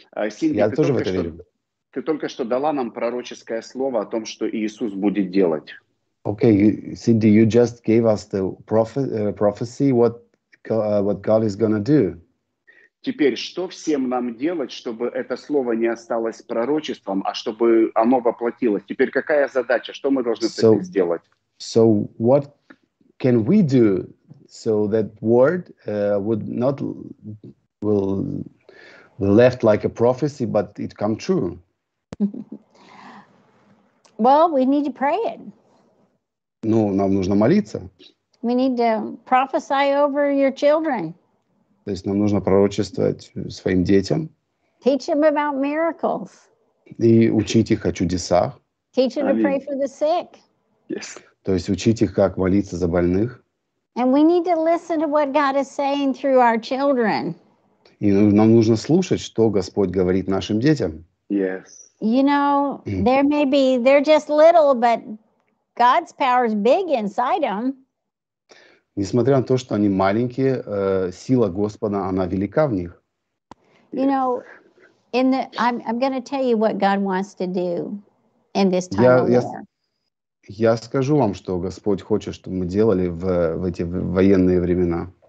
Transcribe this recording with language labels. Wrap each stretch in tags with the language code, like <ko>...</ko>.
<ru>Синди, ты только что дала нам пророческое слово о том, что Иисус будет делать.</ru> <en>Okay, Синди, you just gave us the prophecy what God is gonna do.</en> <ru>Теперь, что всем нам делать, чтобы это слово не осталось пророчеством, а чтобы оно воплотилось? Теперь какая задача? Что мы должны сделать?</ru> <en>So what can we do so that word would not will left like a prophecy, but it come true. Well, we need to pray it.</en> <ru>Ну, нам нужно молиться.</ru> <en>We need to prophesy over your children.</en> <ru>То есть нам нужно пророчествовать своим детям.</ru> <en>Teach them about miracles.</en> <ru>И учить их о чудесах.</ru> <en>Teach them to pray for the sick. Yes.</en> <ru>То есть учить их, как молиться за больных.</ru> <en>And we need to listen to what God is saying through our children.</en> <ru>И нам нужно слушать, что Господь говорит нашим детям.</ru> <en>Yes. You know, there may be, they're just little, but God's power is big inside them.</en> <ru>Несмотря на то, что они маленькие, сила Господа, она велика в них.</ru> <en>You know, I'm going to tell you what God wants to do in this time of war.</en> <ru>Я скажу вам, что Господь хочет, чтобы мы делали в эти военные времена.</ru>